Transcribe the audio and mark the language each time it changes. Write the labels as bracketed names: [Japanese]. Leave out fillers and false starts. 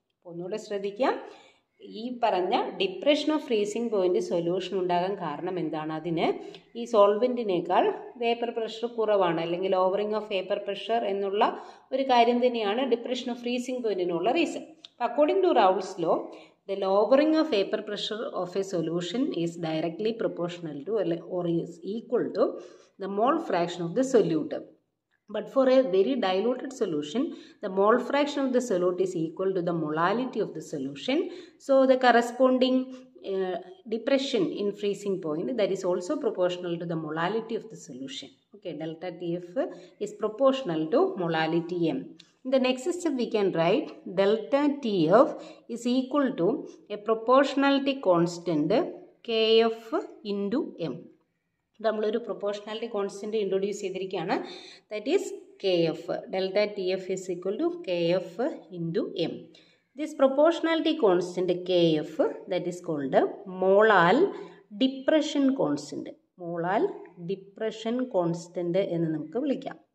[Malayalam] ഒന്നുകൂടെ ശ്രദ്ധിക്കാം, ഈ പറഞ്ഞ depression of freezing point solution ഉണ്ടാകാൻ കാരണം എന്താണ്, അതിന് ഈ സോൾവെൻറ്റിനേക്കാൾ വേപ്പർ പ്രഷർ കുറവാണ് അല്ലെങ്കിൽ ഓവറിംഗ് ഓഫ് വേപ്പർ പ്രഷർ എന്നുള്ള ഒരു കാര്യം തന്നെയാണ് depression of freezing പോയിന്റിനുള്ള reason. [English] According to Raoult's law, the lowering of vapour pressure of a solution is directly proportional to or is equal to the mole fraction of the solute. But for a very diluted solution, the mole fraction of the solute is equal to the molality of the solution. So the corresponding depression in freezing point, that is also proportional to the molality of the solution. Okay, delta TF is proportional to molality M. In the next step, we can write delta TF is equal to a proportionality constant KF into M. [Malayalam] നമ്മളൊരു proportionality constant introduce ചെയ്തിരിക്കുകയാണ്, [English] That is K F. Delta T F is equal to K F into M. This proportionality constant K F that is called molal depression constant. [Malayalam] Molal depression constant എന്ന് നമുക്ക് വിളിക്കാം.